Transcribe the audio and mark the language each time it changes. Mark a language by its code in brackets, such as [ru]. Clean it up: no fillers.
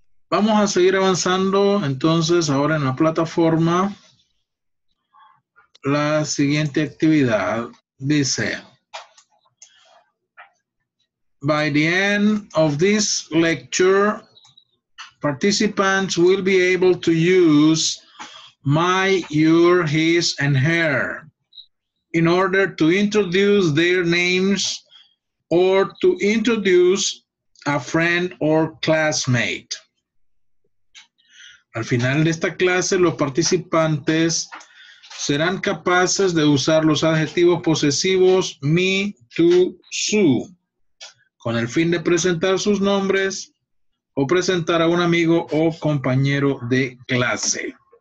[es] Vamos a seguir avanzando entonces ahora en la plataforma. La siguiente actividad dice: [en] By the end of this lecture, participants will be able to use my, your, his, and her in order to introduce their names or to introduce a friend or classmate. [es] Al final de esta clase, los participantes serán capaces de usar los adjetivos posesivos me, tú, su, con el fin de presentar sus nombres o presentar a un amigo o compañero de clase.